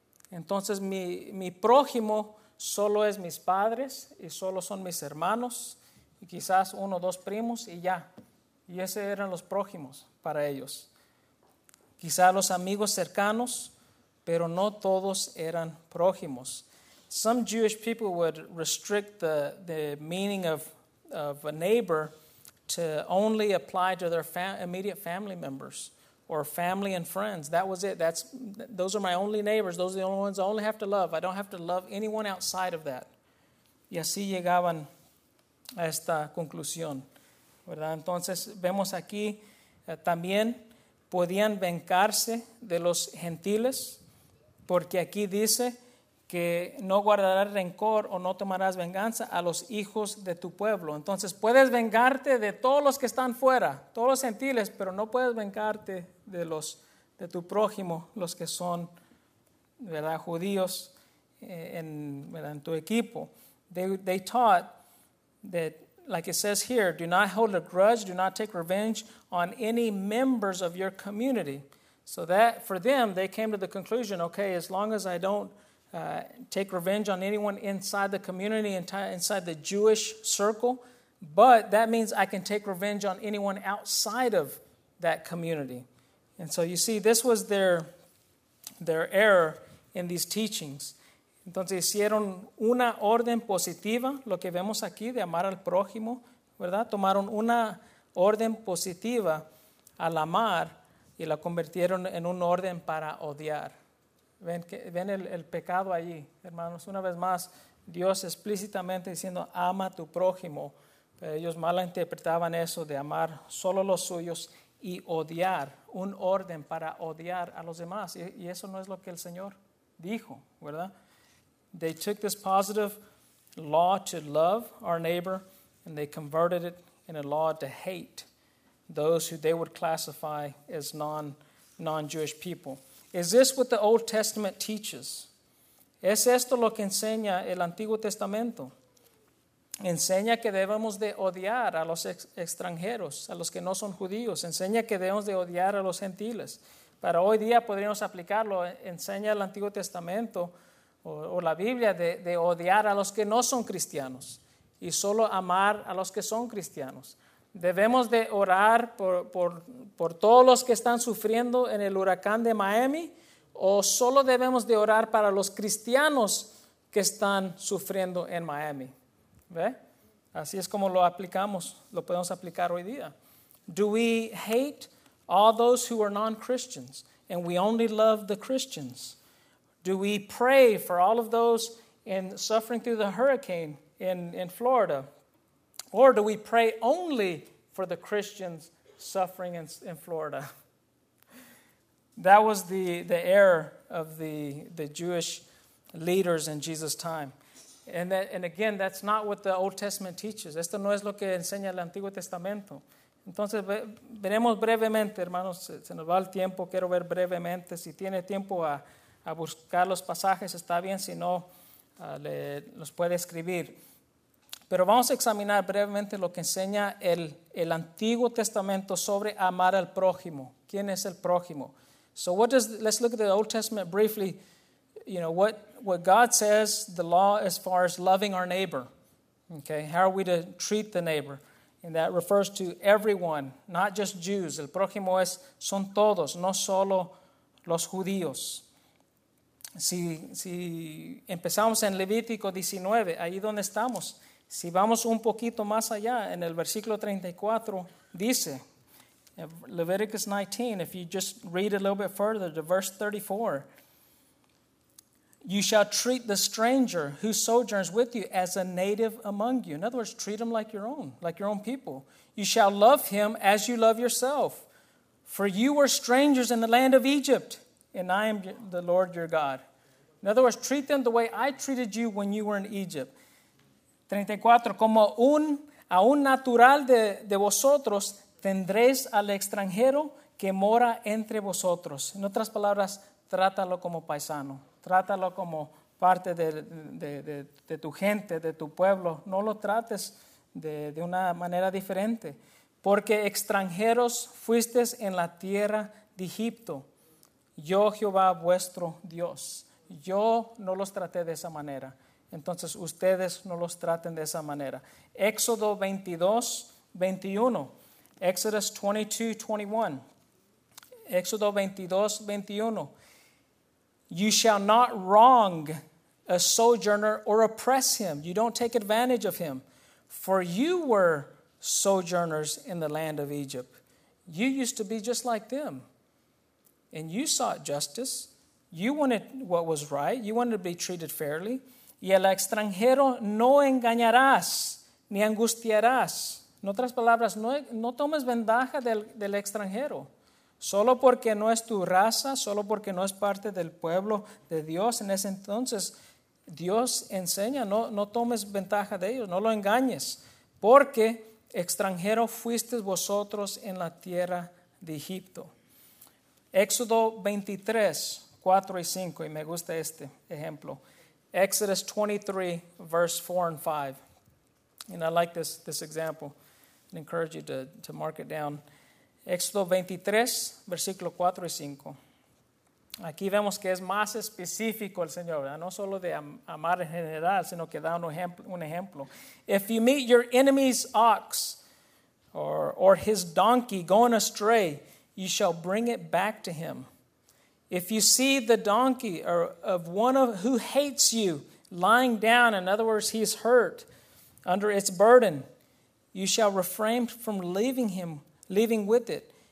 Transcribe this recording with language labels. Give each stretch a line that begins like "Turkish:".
Spanish: Entonces, mi prójimo solo es mis padres y solo son mis hermanos, y quizás uno o dos primos y ya. Y esos eran los prójimos para ellos. Quizá los amigos cercanos, pero no todos eran prójimos.
English: Some Jewish people would restrict the meaning of a neighbor to only apply to their immediate family members or family and friends. That was it. Those are my only neighbors. Those are the only ones I only have to love. I don't have to love anyone outside of that.
Spanish: Y así llegaban a esta conclusión, ¿verdad? Entonces vemos aquí también podían vengarse de los gentiles, porque aquí dice que no guardarás rencor o no tomarás venganza a los hijos de tu pueblo. Entonces puedes vengarte de todos los que están fuera, todos los gentiles, pero no puedes vengarte de los de tu prójimo, los que son, ¿verdad?, judíos en tu equipo.
English: They taught that, like it says here, do not hold a grudge, do not take revenge on any members of your community. So that, for them, they came to the conclusion, okay, as long as I don't take revenge on anyone inside the community, inside the Jewish circle, but that means I can take revenge on anyone outside of that community. And so you see, this was their error in these teachings.
Spanish: Entonces hicieron una orden positiva, lo que vemos aquí de amar al prójimo, ¿verdad? Tomaron una orden positiva al amar y la convirtieron en un orden para odiar. Ven el pecado allí, hermanos. Una vez más, Dios explícitamente diciendo, ama a tu prójimo. Pero ellos malinterpretaban eso de amar solo los suyos y odiar, un orden para odiar a los demás. Y eso no es lo que el Señor dijo, ¿verdad?
English: They took this positive law to love our neighbor and they converted it in a law to hate those who they would classify as non-Jewish people. Is this what the Old Testament teaches?
Spanish: ¿Es esto lo que enseña el Antiguo Testamento? Enseña que debemos de odiar a los extranjeros, a los que no son judíos. Enseña que debemos de odiar a los gentiles. Para hoy día podríamos aplicarlo. Enseña el Antiguo Testamento o la Biblia de odiar a los que no son cristianos y solo amar a los que son cristianos. Debemos de orar por todos los que están sufriendo en el huracán de Miami, o solo debemos de orar para los cristianos que están sufriendo en Miami. ¿Ve? Así es como lo aplicamos, lo podemos aplicar hoy día.
English: Do we hate all those who are non-Christians and we only love the Christians? Do we pray for all of those in suffering through the hurricane in Florida? Or do we pray only for the Christians suffering in Florida? That was the error of the Jewish leaders in Jesus' time. And again, that's not what the Old Testament teaches.
Spanish: Esto no es lo que enseña el Antiguo Testamento. Entonces, veremos brevemente, hermanos. Se nos va el tiempo. Quiero ver brevemente. Si tiene tiempo a buscar los pasajes, está bien, si no, los puede escribir. Pero vamos a examinar brevemente lo que enseña el Antiguo Testamento sobre amar al prójimo. ¿Quién es el prójimo?
English: So let's look at the Old Testament briefly. you know, what God says, the law as far as loving our neighbor. Okay, how are we to treat the neighbor? And that refers to everyone, not just Jews.
Spanish: El prójimo es son todos, no solo los judíos. Si empezamos en Levítico 19, ahí donde estamos. Si vamos un poquito más allá, en el versículo 34, dice,
English: Leviticus 19, if you just read a little bit further to verse 34, you shall treat the stranger who sojourns with you as a native among you. In other words, treat him like your own people. You shall love him as you love yourself. For you were strangers in the land of Egypt, and I am the Lord your God. In other words, treat them the way I treated you when you were in Egypt.
Spanish: 34, como a un natural de vosotros, tendréis al extranjero que mora entre vosotros. En otras palabras, trátalo como paisano. Trátalo como parte de tu gente, de tu pueblo. No lo trates de una manera diferente. Porque extranjeros fuisteis en la tierra de Egipto. Yo, Jehová, vuestro Dios. Yo no los traté de esa manera. Entonces, ustedes no los traten de esa manera. Éxodo 22, 21. Exodus 22, 21. Éxodo 22, 21.
English: You shall not wrong a sojourner or oppress him. You don't take advantage of him. For you were sojourners in the land of Egypt. You used to be just like them. And you sought justice. You wanted what was right. You wanted to be treated fairly.
Spanish: Y al extranjero no engañarás ni angustiarás. En otras palabras, no tomes ventaja del extranjero. Solo porque no es tu raza, solo porque no es parte del pueblo de Dios. En ese entonces, Dios enseña, no tomes ventaja de ellos, no lo engañes. Porque extranjero fuisteis vosotros en la tierra de Egipto. Éxodo 23, 4 y 5, y me gusta este ejemplo.
English: Exodus 23, verse 4 and 5. And I like this example. I encourage you to mark it down.
Spanish: Éxodo 23, versículo 4 y 5. Aquí vemos que es más específico el Señor, ¿verdad? No solo de amar en general, sino que da un ejemplo.
English: If you meet your enemy's ox or his donkey going astray, you shall bring it back to him. If you see the donkey or of one of who hates you lying down, in other words, he's hurt under its burden, you shall refrain from leaving with it.